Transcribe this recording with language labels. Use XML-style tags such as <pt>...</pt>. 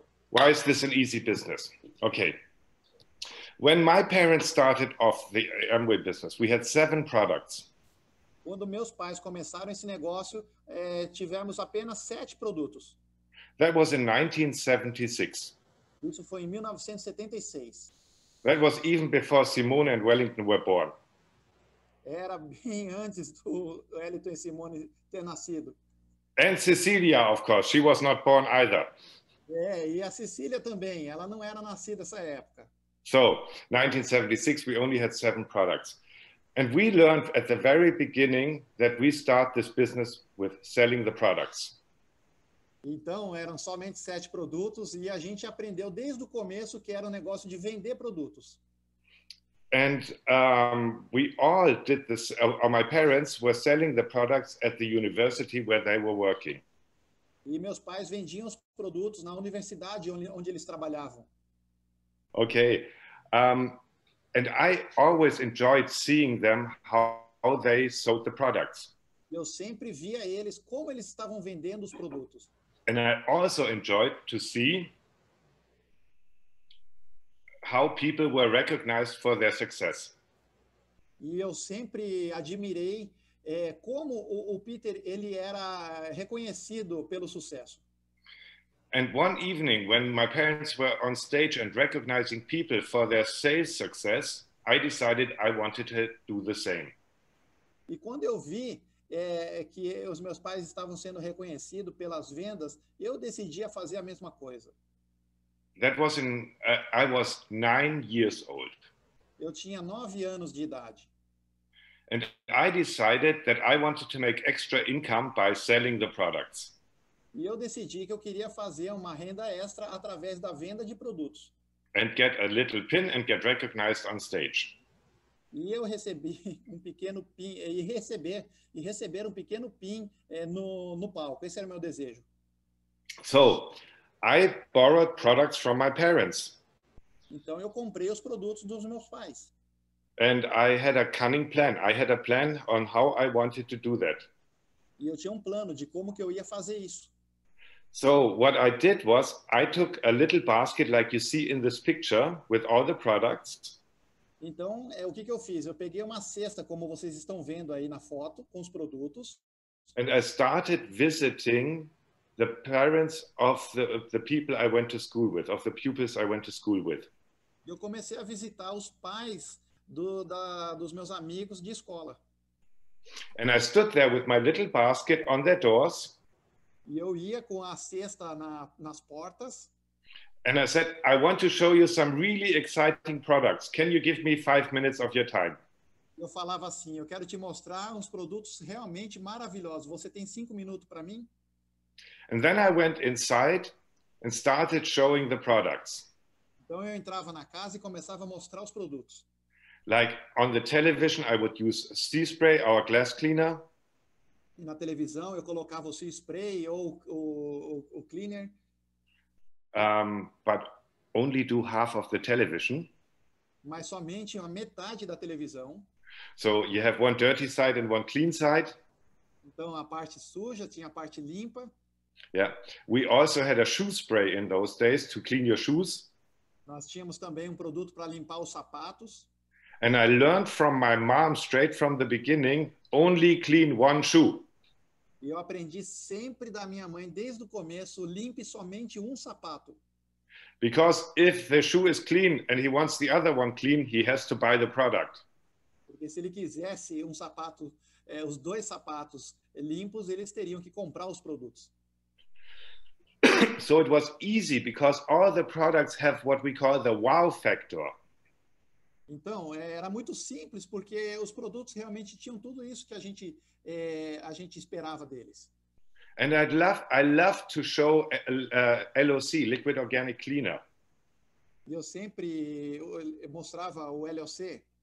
<en>Why is this an easy business? Okay. When my parents started off the Amway business, we had 7 products.</en> <pt>Quando meus pais começaram esse negócio, tivemos apenas 7 produtos.</pt> <en>That was in 1976.</en> <pt>Isso foi em 1976.</pt> <en>That was even before Simone and Wellington were born.</en> <pt>Era bem antes do Wellington e Simone ter nascido.</pt> <en>And Cecilia, of course, she was not born either.</en> <pt>É, e a Cecília também, ela não era nascida nessa época.</pt> <en>So, 1976, we only had 7 products. And we learned at the very beginning that we start this business with selling the products.</en> <pt>Então, eram somente 7 produtos e a gente aprendeu desde o começo que era um negócio de vender produtos.</pt> <en>And we all did this, my parents were selling the products at the university where they were working.</en> <pt>E meus pais vendiam os produtos na universidade onde eles trabalhavam.</pt> <en>Okay. And I always enjoyed seeing them, how they sold the products.</en> <pt>Eu sempre via eles, como eles estavam vendendo os produtos.</pt> <en>And I also enjoyed to see how people were recognized for their success.</en> <pt>E eu sempre admirei como o Peter ele era reconhecido pelo sucesso.</pt> <en>And one evening when my parents were on stage and recognizing people for their sales success, I decided I wanted to do the same.</en> <pt>E quando eu vi que os meus pais estavam sendo reconhecidos pelas vendas, eu decidi a fazer a mesma coisa.</pt> <en>That was in, I was 9 years old.</en> <pt>Eu tinha 9 anos de idade.</pt> <en>And I decided that I wanted to make extra income by selling the products.</en> <pt>E eu decidi que eu queria fazer uma renda extra através da venda de produtos.</pt> <en>And get a little pin and get recognized on stage.</en> <pt>E eu recebi um pequeno pin e receber um pequeno pin no palco. Esse era o meu desejo.</pt> <en>So, I borrowed products from my parents.</en> <pt>Então eu comprei os produtos dos meus pais.</pt> <en>And I had a cunning plan. I had a plan on how I wanted to do that.</en> <pt>E eu tinha um plano de como que eu ia fazer isso.</pt> <en>So what I did was I took a little basket like you see in this picture with all the products.</en> <pt>Então, o que eu fiz? Eu peguei uma cesta como vocês estão vendo aí na foto com os produtos.</pt> <en>And I started visiting the parents of the people I went to school with, of the pupils I went to school with.</en> <pt>Eu comecei a visitar os pais dos meus amigos de escola.</pt> <en>And I stood there with my little basket on their doors.</en> <pt>E eu ia com a cesta nas portas.</pt> <en>And I said, I want to show you some really exciting products. Can you give me 5 minutes of your time?</en> <pt>Eu falava assim, eu quero te mostrar uns produtos realmente maravilhosos. Você tem 5 minutos para mim?</pt> <en>And then I went inside and started showing the products.</en> <pt>Então eu entrava na casa e começava a mostrar os produtos.</pt> <en>Like on the television, I would use Sea Spray, our glass cleaner.</en> <pt>Na televisão eu colocava o Sea Spray ou o cleaner.</pt> <en>But only do half of the television.</en> <pt>Mas somente a metade da televisão.</pt> <en>So you have one dirty side and one clean side.</en> <pt>Então a parte suja tinha a parte limpa.</pt> <en>Yeah, we also had a shoe spray in those days to clean your shoes.</en> <pt>Nós tínhamos também um produto para limpar os sapatos.</pt> <en>And I learned from my mom straight from the beginning, only clean one shoe.</en> <pt>E eu aprendi sempre da minha mãe, desde o começo, limpe somente um sapato.</pt> <en>Because if the shoe is clean and he wants the other one clean, he has to buy the product.</en> <pt>Porque se ele quisesse um sapato, os dois sapatos limpos, eles teriam que comprar os produtos.</pt> <en>So it was easy because all the products have what we call the wow factor.</en> <pt>Então, era muito simples porque os produtos realmente tinham tudo isso que a gente esperava deles.</pt> <en>And I love to show LOC, Liquid Organic Cleaner.</en> <pt>Eu sempre mostrava o LOC.</pt>